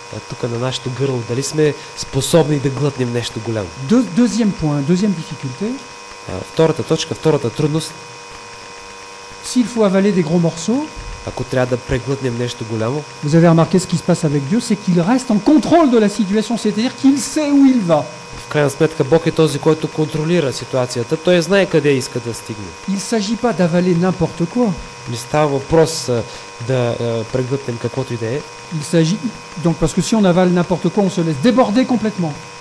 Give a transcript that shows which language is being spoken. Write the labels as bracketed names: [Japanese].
[Bulgarian] тук на нашето гърло, дали сме способни да глътнем нещо голямо. [French] Deuxième point, deuxième difficulté. [Bulgarian] Втората точка, втората трудност. [French] S'il faut avaler des gros morceaux, [Bulgarian] ако трябва да преглътнем нещо голямо, [French] vous avez remarqué ce qui se passe avec Dieu, c'est qu'il reste en contrôle de la situation, c'est-à-dire qu'il sait où il va. [Bulgarian] В крайна сметка Бог е този, който контролира ситуацията. Той знае къде иска да стигне. [French] Il s'agit pas d'avaler n'importe quoi. [Bulgarian] Не става въпрос да преглътнем каквото и да е. [French] Il s'agit donc parce que si on avale n'importe quoi, on se laisse déborder complètement.